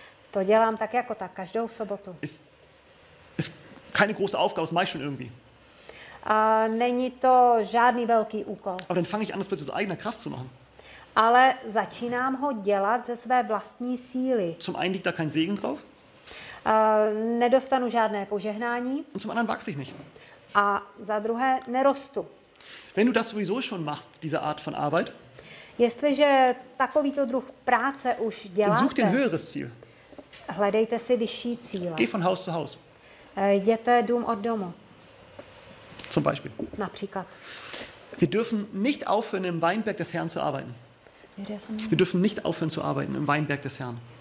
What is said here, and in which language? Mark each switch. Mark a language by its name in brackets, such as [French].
[Czech] To dělám tak jako tak, každou sobotu. [German] Ist keine große Aufgabe, das mache ich schon irgendwie. [Czech] A není to žádný velký úkol. [German] Aber dann fange ich an, das plötzlich aus eigener Kraft zu machen. [Czech] Ale začínám ho dělat ze své vlastní síly. [German] Zum einen liegt da kein Segen drauf. [Czech] A nedostanu žádné požehnání. [German] Und zum anderen wachse ich nicht. [Czech] A za druhé nerostu. [German] Wenn du das sowieso schon machst, diese Art von Arbeit, [Czech] jestliže takovýto druh práce už děláte, [German] such dir ein höheres Ziel. [Czech] Hledejte si vyšší cíle. [German] Geh von Haus zu Haus. [Czech] Jděte dům od domu. [German] Zum Beispiel. [Czech] Například. [German] Wir dürfen nicht aufhören, im Weinberg des Herrn zu arbeiten. Wir dürfen nicht aufhören zu arbeiten im Weinberg des Herrn.